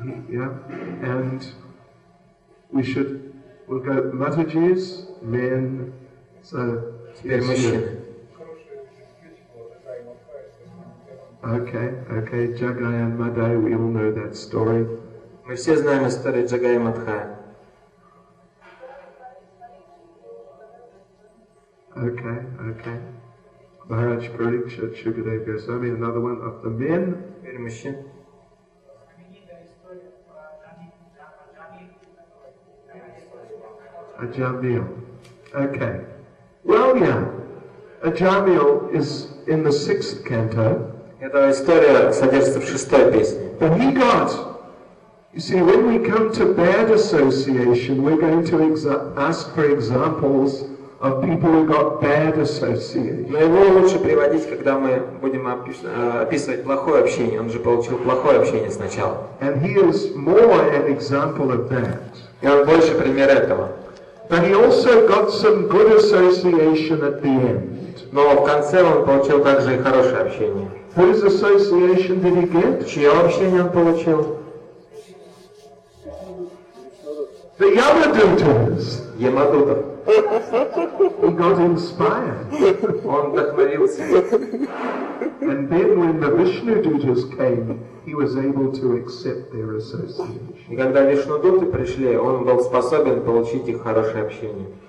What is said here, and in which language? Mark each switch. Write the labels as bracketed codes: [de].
[en] Yeah, and we should, we'll go Matajis, men, so... Okay, okay, Jagai and Madai, we all know that story. [ru] Мы все знаем историю Джагая Мадхая. [en] Okay, okay. Maharaj Pariksha, Shukadev Goswami, another one of the men. [ru] Теперь мужчин. [en] Ajamil. Okay. Well, yeah. Ajamil is in the sixth canto. [ru] Эта история содержится в шестой песне. [en] But he got... You see, when we come to bad association, we're going to ask for examples of people who got bad association. [ru] Но его лучше приводить, когда мы будем описывать плохое общение. Он же получил плохое общение сначала. [en] And he is more an example of that. [ru] И он больше пример этого. [en] But he also got some good association at the end. [ru] Но в конце он получил также и хорошее общение. [en] Whose association did he get? [ru] Чье общение он получил? [en] The Yamadutas. [ru] Yamaduta. [en] He got inspired. [ru] Он вдохновился. [en] And then when the Vishnu Dutas came, he was able to accept their association. [ru] И когда Вишнудуты пришли, он был способен получить их хорошее общение.